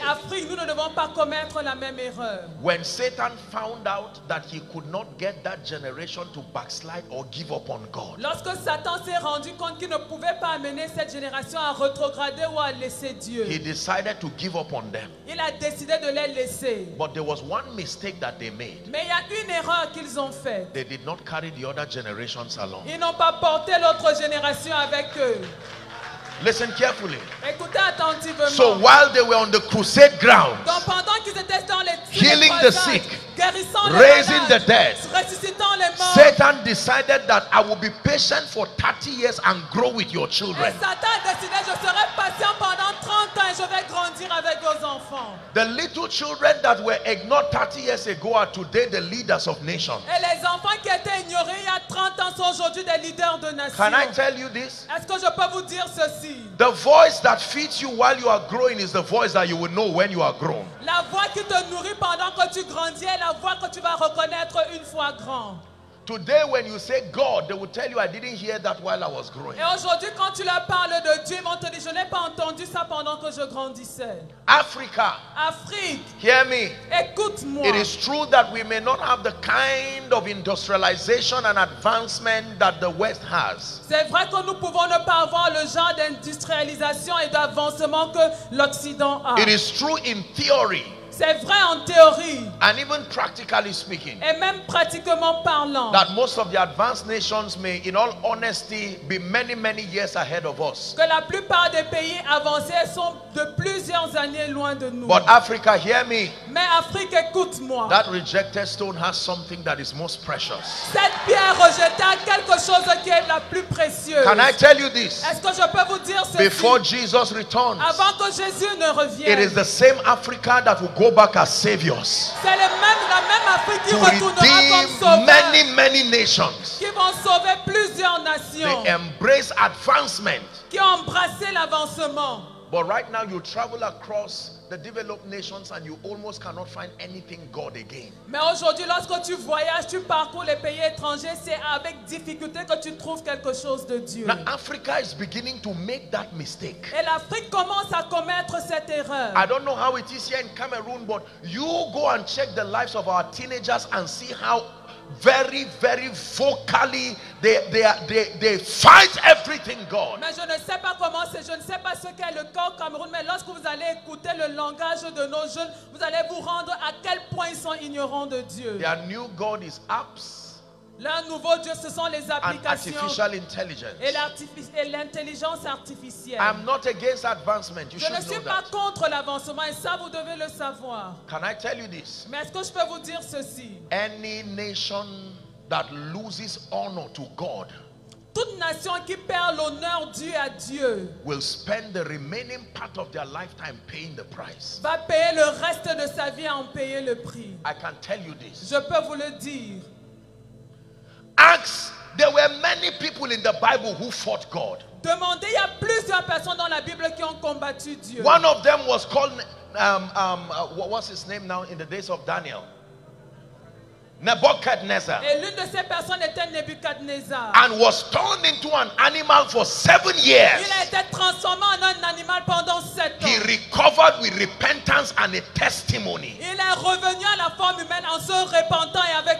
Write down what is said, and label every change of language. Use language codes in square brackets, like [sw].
[fr] Et Afrique, nous ne devons pas commettre la même erreur. [en] When Satan found out that he could not get that generation to backslide or give up on God, [fr] lorsque Satan s'est rendu compte qu'il ne pouvait pas amener cette génération à rétrograder ou à laisser Dieu, [en] he decided to give up on them. [fr] Il a décidé de les laisser. [en] But there was one mistake that they made. [fr] Mais il y a une erreur qu'ils ont faite. [en] They did not carry the other generations along. [fr] Ils n'ont pas porté l'autre génération avec eux. [en] Listen carefully. [fr] Écoutez attentivement. [en] So while they were on the crusade ground, [fr] donc pendant qu'ils étaient dans les [en] tirs, healing the sick, [fr] guérissant [en] raising [fr] les malades, [en] the dead, [fr] ressuscitant les morts, [en] Satan decided that I will be patient for 30 years and grow with your children. [fr] Et Satan décidé, je serai patient pendant 30 ans et je vais grandir avec vos enfants. [en] The little children that were ignored 30 years ago are today the leaders of nations. [fr] Et les enfants qui étaient ignorés il y a 30 ans sont aujourd'hui des leaders de nations. [en] Can I tell you this? [fr] Est-ce que je peux vous dire ceci? [en] The voice that feeds you while you are growing is the voice that you will know when you are grown. [fr] La voix qui te nourrit pendant que tu grandis est la voix que tu vas reconnaître une fois grand. [en] Today when you say God, they will tell you I didn't hear that while I was growing. [fr] Et aujourd'hui quand tu leur parles de Dieu, ils vont te dire je n'ai pas entendu ça pendant que je grandissais. [en] Africa. [fr] Afrique. [en] Hear me. [fr] Écoute-moi. [en] It is true that we may not have the kind of industrialization and advancement that the West has. [fr] C'est vrai que nous pouvons ne pas avoir le genre d'industrialisation et d'avancement que l'Occident a. [en] It is true in theory. [fr] C'est vrai en théorie. [en] And even practically speaking, [fr] et même pratiquement parlant, [en] that most of the advanced nations may, in all honesty, be many, many years ahead of us. [fr] Que la plupart des pays avancés sont de plusieurs années loin de nous. [en] But Africa, hear me. [fr] Mais Afrique, écoute-moi. [en] That rejected stone has something that is most precious. [fr] Cette pierre rejetée a quelque chose qui est la plus précieuse. [en] Can I tell you this? [fr] Est-ce que je peux vous dire ceci? [en] Before Jesus returns, [fr] avant que Jésus ne revienne, [en] it is the same Africa that will go back as saviors. [fr] C'est la même Afrique qui retournera comme sauveurs. [en] Many, many nations. [fr] Qui vont sauver plusieurs nations. [en] They embrace advancement. [fr] Qui ont embrassé l'avancement. [en] But right now you travel across the developed nations and you almost cannot find anything God again. [fr] Mais aujourd'hui lorsque tu voyages, tu parcours les pays étrangers, c'est avec difficulté que tu trouves quelque chose de Dieu. [en] Now Africa is beginning to make that mistake. [fr] Et l'Afrique commence à commettre cette erreur. [en] I don't know how it is here in Cameroon, but you go and check the lives of our teenagers and see how very, very vocally they fight everything God. [fr] Mais je ne sais pas comment c'est, je ne sais pas ce qu'est le corps Cameroun, mais lorsque vous allez écouter le langage de nos jeunes, vous allez vous rendre à quel point ils sont ignorants de Dieu. [en] Their new God is apps. [fr] Leur nouveau Dieu, ce sont les applications [en] artificial intelligence. [fr] Et l'intelligence artificielle. [en] I'm not against advancement. You [fr] je ne suis pas [en] that. [fr] Contre l'avancement et ça, vous devez le savoir. [en] Can I tell you this? [fr] Mais est-ce que je peux vous dire ceci? [en] Any nation that loses honor to God, [fr] toute nation qui perd l'honneur dû à Dieu, [en] will spend the remaining part of their lifetime paying the price. [fr] Va payer le reste de sa vie en payer le prix. [en] I can tell you this. [fr] Je peux vous le dire. [en] Acts, there were many people in the Bible who fought God. [fr] Demandez, il y a plusieurs personnes dans la Bible qui ont combattu Dieu. [en] One of them was called what was his name now in the days of Daniel? Nebuchadnezzar. [fr] Et l'une de ces personnes était Nebuchadnezzar. [en] And was turned into an animal for 7 years. [fr] Il a été transformé en un animal pendant 7 ans. [en] He recovered with repentance and a testimony. [fr] Il est revenu à la forme humaine en se repentant et avec